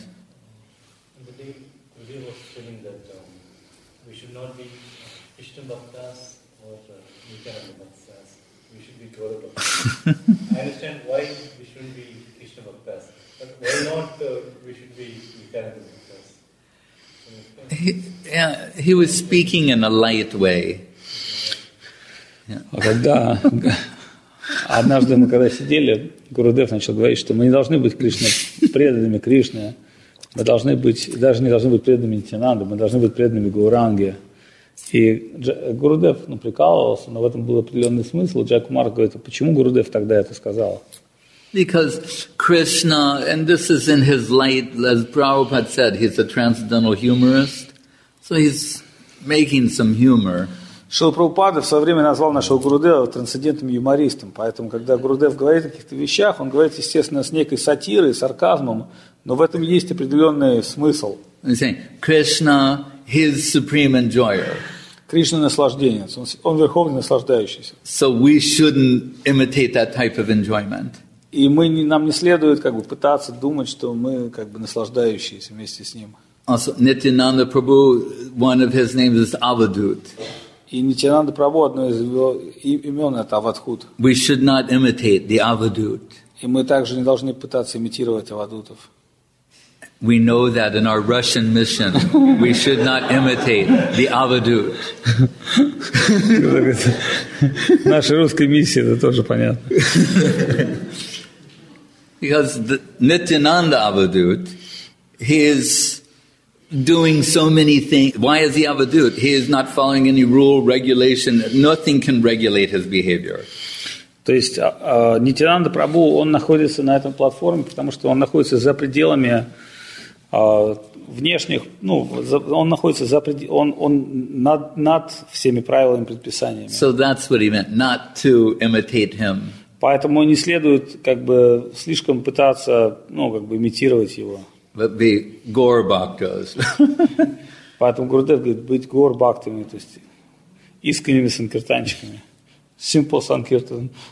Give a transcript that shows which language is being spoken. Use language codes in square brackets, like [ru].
[en] In the day, Guruji was telling that we should not be Krishna Bhaktas or Nityananda Bhaktas. We should be Gaura Bhaktas. I understand why we shouldn't be Krishna Bhaktas, but why not we should be Nityananda Bhaktas? He was speaking in a light way. [ru] Когда однажды мы когда сидели, Гурудев начал говорить, что мы не должны быть Кришне преданными Кришне, мы должны быть, даже не должны быть преданными Нитянанды, мы должны быть преданными Гауранге. И Гурудев прикалывался, но в этом был определенный смысл. Джай Кумар говорит, а почему Гурудев тогда это сказал? [en] Because Krishna, and this is in his light, as Prabhupada said, he's a transcendental humorist, so he's making some humor. [ru] Шрила Прабхупада в свое время назвал нашего Гурудева трансцендентным юмористом. Поэтому, когда Гурудев говорит о каких-то вещах, он говорит, естественно, с некой сатирой, сарказмом, но в этом есть определенный смысл. [en] Krishna, his supreme enjoyer. [ru] Кришна – наслажденец. Он верховный наслаждающийся. [en] So we shouldn't imitate that type of enjoyment. [ru] И мы, нам не следует как бы, пытаться думать, что мы как бы, наслаждающиеся вместе с ним. [en] Also, Nityananda Prabhu, one of his names is Avadhut. [ru] И Нитянанда Прабху, одно из его имен – это Авадхут. [en] We should not imitate the Avadhut. [ru] И мы также не должны пытаться имитировать Авадхутов. [en] We know that in our Russian mission we should not imitate the Avadhut. [ru] Наша русская миссия – это тоже понятно. [en] Because the Nityananda Avadhut, he is doing so many things. Why is he Avadhut? He is not following any rule, regulation. Nothing can regulate his behavior. [ru] То есть Нитянанда Прабху, он находится на этом платформе, потому что он находится за пределами внешних, ну, он находится за пределами, он над всеми правилами и предписаниями. [en] So that's what he meant, not to imitate him. [ru] Поэтому не следует как бы слишком пытаться, ну, как бы имитировать его. [en] But be Gaur Bhaktas. [ru] Поэтому Гурудев говорит, быть Гаур Бхактами, то есть искренними санкиртанчиками. [en] Simple санкиртан.